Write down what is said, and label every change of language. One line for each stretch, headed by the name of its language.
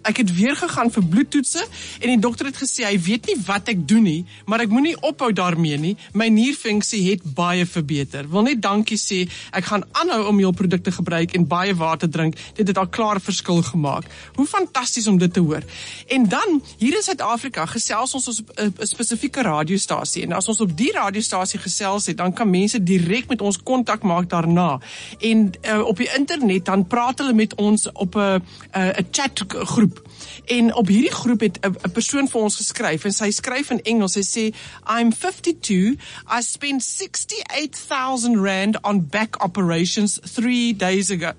Afrikaans: Ek het weer gegaan vir bloedtoetse en die dokter het gesê hy weet nie wat ek doen nie, maar ek moenie ophou daarmee nie. My nierfunksie het baie verbeter. Wil net dankie sê. Ek gaan aanhou om jou produkte gebruik en baie water drink. Dit het al klaar verskil gemaak." Hoe fantasties om dit te hoor. En dan hier in Suid-Afrika gesels ons op 'n spesifieke radiostasie en as ons op die radiostasie gesels het, dan kan mense direk met ons kontak maak daarna en op die internet dan praat hulle met ons op 'n chatgroep. En op hierdie groep het 'n persoon vir ons geskryf en sy skryf in Engels. Sy sê,
English: "I'm 52. I spent 68,000 rand on back operations 3 days ago.